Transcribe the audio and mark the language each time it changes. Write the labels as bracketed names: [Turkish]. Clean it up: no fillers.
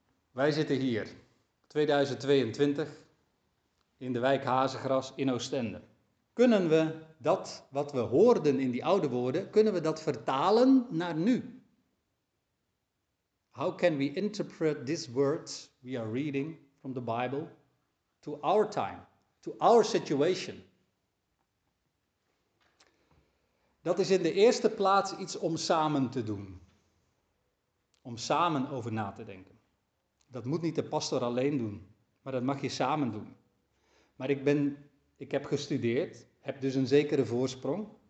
[Dutch] Wij zitten hier, 2022, in de wijk Hazegras in Oostende. Kunnen we dat wat we hoorden in die oude woorden, kunnen we dat vertalen naar nu? [English] How can we interpret these words we are reading from the Bible to our time, to our situation? [Dutch] Dat is in de eerste plaats iets om samen te doen. Om samen over na te denken. Dat moet niet de pastor alleen doen, maar dat mag je samen doen. Maar ik heb gestudeerd, heb dus een zekere voorsprong.